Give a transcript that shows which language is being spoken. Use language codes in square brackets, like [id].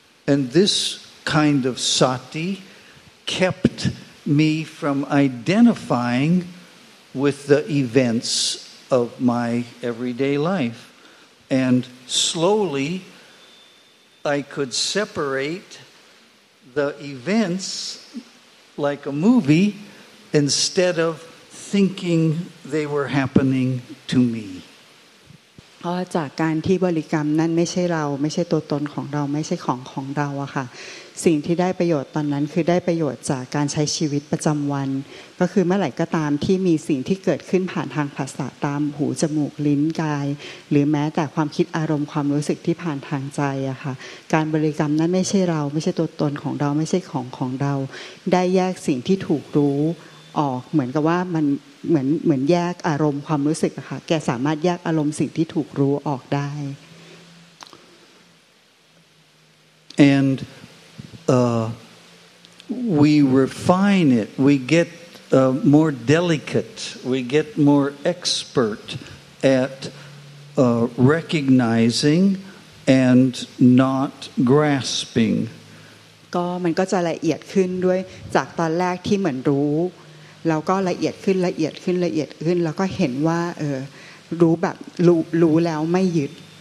[en] and this kind of sati kept me from identifying with the events of my everyday life and slowly I could separate the events like a movie instead of thinking they were happening to me [th] เพราะจากการที่บริกรรมนั้นไม่ใช่เราไม่ใช่ตัวตนของเราไม่ใช่ของของเราอะค่ะสิ่งที่ได้ประโยชน์ตอนนั้นคือได้ประโยชน์จากการใช้ชีวิตประจำวันก็คือเมื่อไหร่ก็ตามที่มีสิ่งที่เกิดขึ้นผ่านทางผัสสะตามหูจมูกลิ้นกายหรือแม้แต่ความคิดอารมณ์ความรู้สึกที่ผ่านทางใจอะค่ะการบริกรรมนั้นไม่ใช่เราไม่ใช่ตัวตนของเราไม่ใช่ของของเรา ได้แยกสิ่งที่ถูกรู้ออกเหมือนกับว่ามันเหมือนแยกอารมณ์ความรู้สึกอะค่ะแกสามารถแยกอารมณ์สิ่งที่ถูกรู้ออกได้ [en] andWe refine it. We get more delicate. We get more expert at recognizing and not grasping. [th] ก็มันก็จะละเอียดขึ้นด้วยจากตอนแรกที่เหมือนรู้แล้วก็ละเอียดขึ้นละเอียดขึ้นละเอียดขึ้นแล้วก็เห็นว่ารู้แล้วไม่ยึด